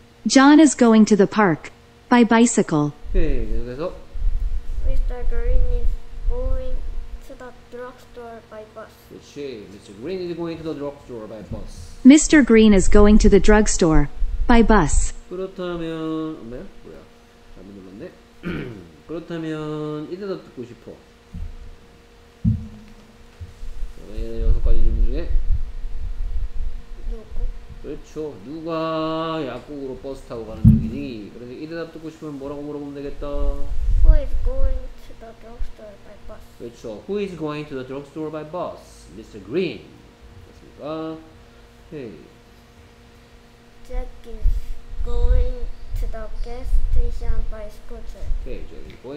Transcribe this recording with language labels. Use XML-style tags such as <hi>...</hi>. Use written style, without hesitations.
<en>John is going to the park by bicycle.</en> <ko>오케이, 계속해서</ko> <en>Mr. Green is going to the drugstore by bus.</en> <ko>그렇지. Mr.</ko> <en>Green is going to the drugstore by bus. Mr. Green is going to the drugstore by bus.</en> <ko>그렇다면, 뭐야? 뭐야? 잘못 눌렀네. 그렇다면 이 대답 듣고 싶어. 여섯 가지 질문 중에 그렇죠. 누가 약국으로 버스 타고 가는 중이니? 그래서 이 대답 듣고 싶으면 뭐라고 물어보면 되겠다.</ko> <en>Who is going to the drugstore by bus?</en> <ko>그렇죠.</ko> <en>Who is going to the drugstore by bus?</en> <ko>Mr. Green. 맞습니까? 오케이.</ko> <en>Jack is going to the gas station by scooter. Okay. 오케이.</en>